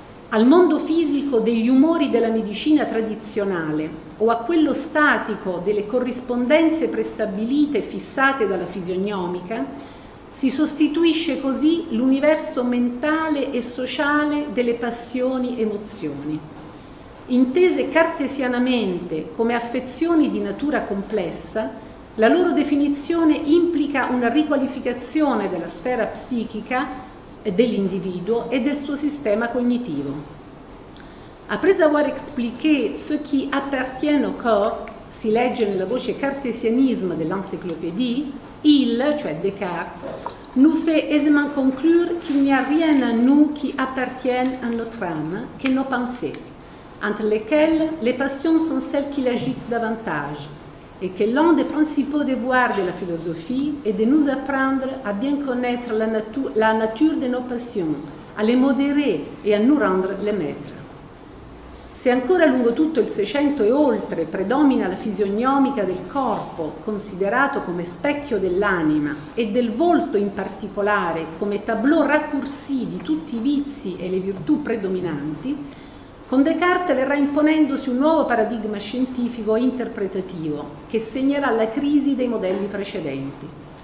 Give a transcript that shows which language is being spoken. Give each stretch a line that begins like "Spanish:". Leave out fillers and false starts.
Italian: Al mondo fisico degli umori della medicina tradizionale o a quello statico delle corrispondenze prestabilite fissate dalla fisiognomica, si sostituisce così l'universo mentale e sociale delle passioni-emozioni. Intese cartesianamente come affezioni di natura complessa, la loro definizione implica una riqualificazione della sfera psichica dell'individuo e del suo sistema cognitivo.
French: Après avoir expliqué ce qui appartient au corps,
Italian: si legge nella voce cartesianisme dell'encyclopédie, il, cioè Descartes,
French: nous fait aisément conclure qu'il n'y a rien à nous qui appartient à notre âme que nos pensées, entre lesquelles les passions sont celles qui l'agitent davantage, et que l'un des principaux devoirs de la philosophie est de nous apprendre à bien connaître la nature de nos passions, à les modérer et à nous rendre les maîtres.
Italian: Se ancora lungo tutto il Seicento e oltre predomina la fisiognomica del corpo, considerato come specchio dell'anima, e del volto in particolare come
French: tableau raccourci
Italian: di tutti i vizi e le virtù predominanti, con Descartes verrà imponendosi un nuovo paradigma scientifico e interpretativo che segnerà la crisi dei modelli precedenti.